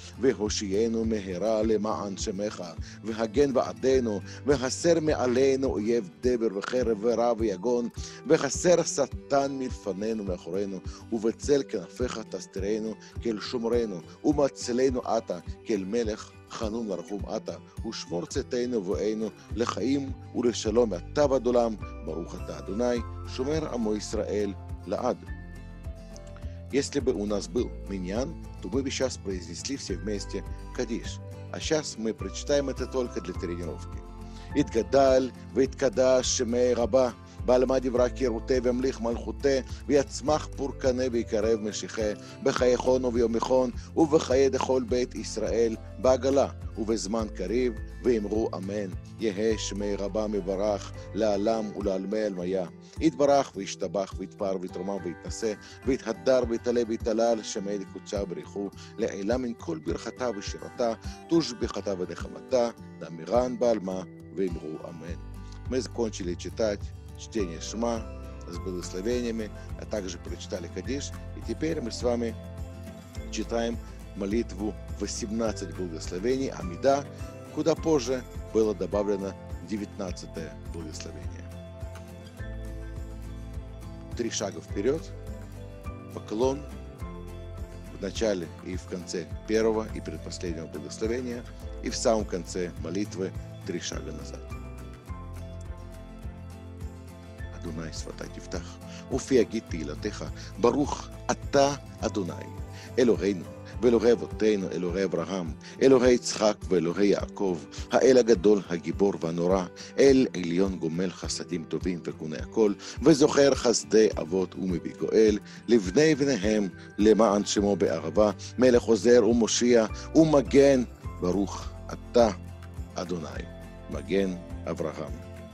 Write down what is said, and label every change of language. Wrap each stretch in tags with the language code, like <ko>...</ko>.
<he>והושיינו מהרה למען שמך, והגן בעדנו, והסר מעלינו אויב דבר וחרב ורע ויגון, והסר שטן מלפנינו מאחורינו, ובצל כנפיך תסתירנו כל שומרנו, ומצלנו אתה כל מלך, חנון לרחום אתה, ושמור צאתנו ובואנו לחיים ולשלום אתה ועד עולם, ברוך אתה אדוני, שומר עמו ישראל לעד.</he> <ru>Если бы у нас был миньян, то мы бы сейчас произнесли все вместе Кадиш. А сейчас мы прочитаем это только для тренировки.</ru> <arc>יתגדל ויתקדש שמי רבה, בעלמה דברה קירותי ומליך מלכותי, ויצמח פורקני ויקרב משיחי, בחיי חון וביומיכון, ובחיי דכל בית ישראל, בעגלה, ובזמן קריב, ואמרו אמן, יהא שמי רבה מברך, לעלם ולעלמי אלמיה. יתברך וישתבח ויתפר ויתרומם ויתנשא, ויתהדר ויתעלה ויתעלל, שמי לקודשה בריחו, לעילה מן כל ברכתה ושירתה, תושבחתה ונחמתה, דמירן בעלמה, ואמרו אמן. מזקונצ'ילי צ'יטת,</arc> <ru>чтение Шма с благословениями, а также прочитали Кадиш. И теперь мы с вами читаем молитву 18 благословений Амида, куда позже было добавлено 19 благословение. Три шага вперед, поклон в начале и в конце первого и предпоследнего благословения, и в самом конце молитвы три шага назад.</ru> <he>אדוני שפתי תפתח, ופי יגיד תהילתך, ברוך אתה אדוני, אלוהינו ואלוהי אבותינו, אלוהי אברהם, אלוהי יצחק ואלוהי יעקב, האל הגדול, הגיבור והנורא, אל עליון גומל חסדים טובים וגוני הכל, וזוכר חסדי אבות ומביא גואל, לבני בניהם, למען שמו בערבה, מלך עוזר ומושיע ומגן, ברוך אתה אדוני, מגן אברהם.</he>